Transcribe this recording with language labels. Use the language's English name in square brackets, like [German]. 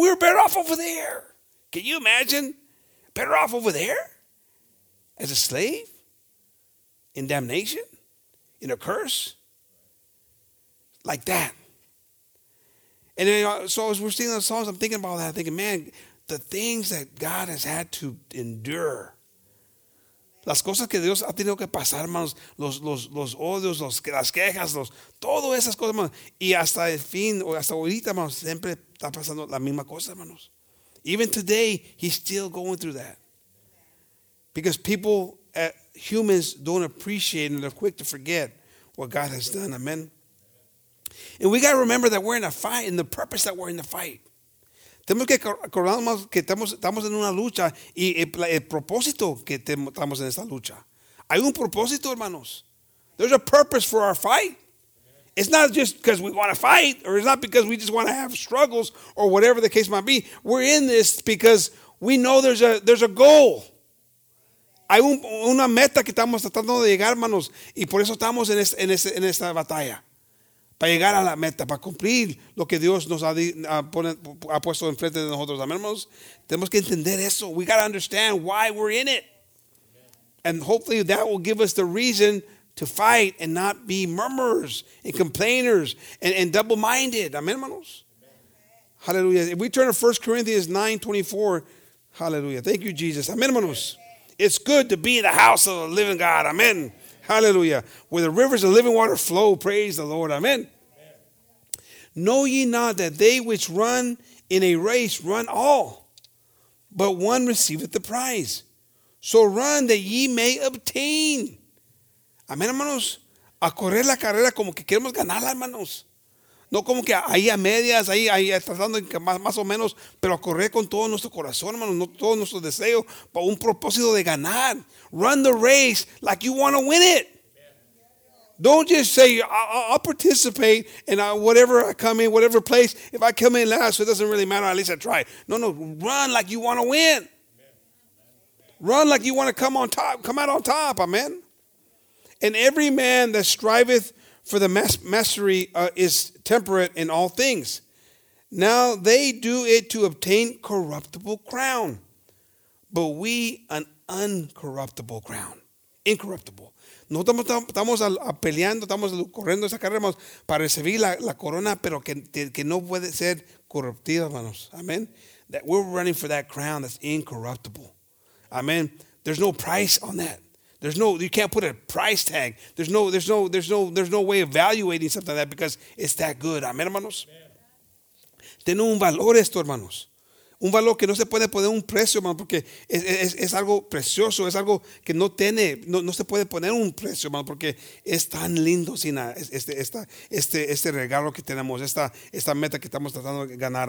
[English] We were better off over there. Can you imagine? Better off over there? As a slave? In damnation? In a curse? Like that. And then, so as we're singing those songs, I'm thinking about that. I'm thinking, man, the things that God has had to endure. [Spanish] Las cosas que Dios ha tenido que pasar, hermanos, los odios, las quejas, todas esas cosas, hermanos. Y hasta el fin, o hasta ahorita, hermanos, siempre está pasando la misma cosa, hermanos. Even today, he's still going through that. Because people, humans, don't appreciate and they're quick to forget what God has done. Amen. And we got to remember that we're in a fight and the purpose that we're in the fight. Tenemos que acordarnos que estamos en una lucha y el propósito que estamos en esta lucha. Hay un propósito, hermanos. [English] There's a purpose for our fight. It's not just because we want to fight, or it's not because we just want to have struggles, or whatever the case might be. We're in this because we know there's a goal. [Spanish] Hay una meta que estamos tratando de llegar, hermanos, y por eso estamos en esta batalla. Para llegar a la meta, para cumplir lo que Dios nos ha puesto enfrente de nosotros. Amén, hermanos. Tenemos que entender eso. [English] We got to understand why we're in it. And hopefully that will give us the reason to fight and not be murmurers and complainers and double-minded. Amén, hermanos. Hallelujah. If we turn to 1 Corinthians 9:24, hallelujah. Thank you, Jesus. Amén, hermanos. It's good to be in the house of the living God. Amén. Hallelujah. Where the rivers of living water flow, praise the Lord. Amen. Amen. Know ye not that they which run in a race run all, but one receiveth the prize. So run that ye may obtain. Amen, hermanos. [Spanish] A correr la carrera como que queremos ganarla, hermanos. No como que ahí a medias, ahí tratando más o menos, pero a correr con todo nuestro corazón, hermanos, no todo nuestro deseo, para un propósito de ganar. [English] Run the race like you want to win it. Amen. Don't just say, I'll participate, and whatever I come in, whatever place, if I come in last, it doesn't really matter, at least I try. No, run like you want to win. Amen. Run like you want to come on top, come out on top, amen. And every man that striveth for the mastery is temperate in all things. Now they do it to obtain corruptible crown, but we an uncorruptible crown. Incorruptible. [Spanish] Nosotros estamos peleando, estamos corriendo esa carrera para recibir la corona, pero que no puede ser corruptible, hermanos. Amen. [English] That we're running for that crown that's incorruptible. Amen. There's no price on that. There's no, you can't put a price tag. There's no way of evaluating something like that because it's that good. [Spanish] Amen, hermanos. Tiene un valor esto, hermanos. Un valor que no se puede poner un precio, hermano, porque es algo precioso, es algo que no tiene, no se puede poner un precio, hermano, porque es tan lindo sin este regalo que tenemos, esta meta que estamos tratando de ganar.